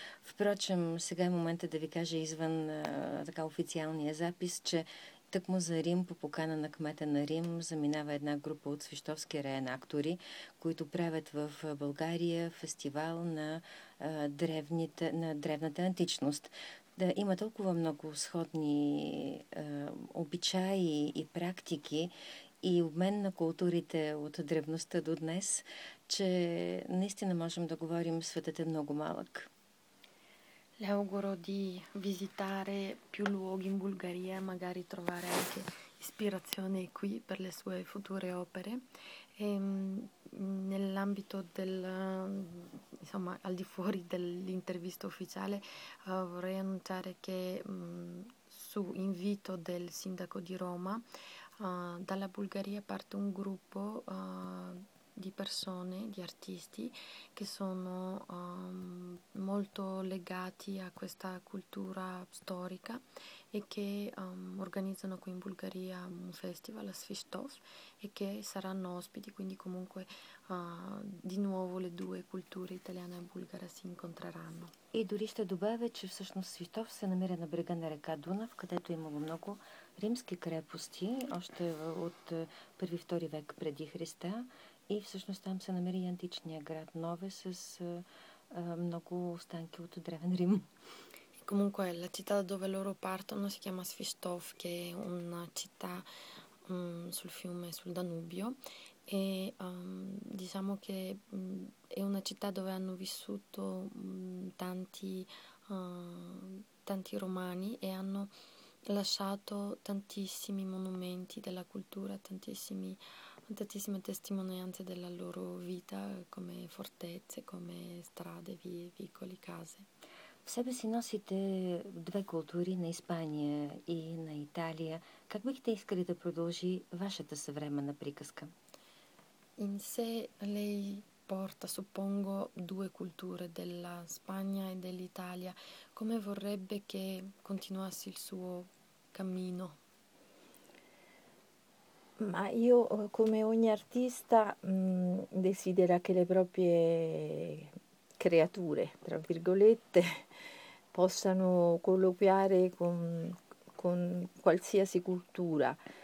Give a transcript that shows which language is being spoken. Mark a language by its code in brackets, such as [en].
[bg] Впрочем, сега е момента да ви кажа извън така официалния запис, че тъкмо за Рим, по покана на кмета на Рим, заминава една група от свищовски реенактори, които правят в България фестивал на древната античност. Да, има толкова много сходни обичаи и практики и обмен на културите от древността до днес, че наистина можем да говорим, светът е много малък. [it] Le auguro di visitare più luoghi in Bulgaria, magari trovare anche ispirazione qui per le sue future opere. E, nell'ambito del, insomma, al di fuori dell'intervista ufficiale, vorrei annunciare che su invito del sindaco di Roma, dalla Bulgaria parte un gruppo di persone, di artisti che sono molto legati a questa cultura storica e che organizzano qui in Bulgaria un festival, la Svistov, e che saranno ospiti, quindi comunque di nuovo le due culture italiana e bulgara si incontreranno. [bg] И дори ще добавя, че всъщност Свитов се намира на брега на река Дунав, където имало много римски крепости, още от 1-2 век преди Христа. И всъщност там се намира и античния град Нове с много останки от древен Рим. [it] Comunque, la città da dove loro partono si chiama Svistov, che è una città sul fiume, sul Danubio. E diciamo che è una città dove hanno vissuto tanti romani e hanno lasciato tantissimi monumenti della cultura, tantissime testimonianze della loro vita, come fortezze, come strade, vie, vicoli, case. [bg] В себе си носите две култури, на Испания и на Италия. Как бихте искали да продължи вашата съвременна приказка? [it] In sé lei porta, suppongo, due culture della Spagna e dell'Italia. Come vorrebbe che continuasse il suo cammino? Ma io, come ogni artista, desidera che le proprie creature, tra virgolette, possano colloquiare con qualsiasi cultura.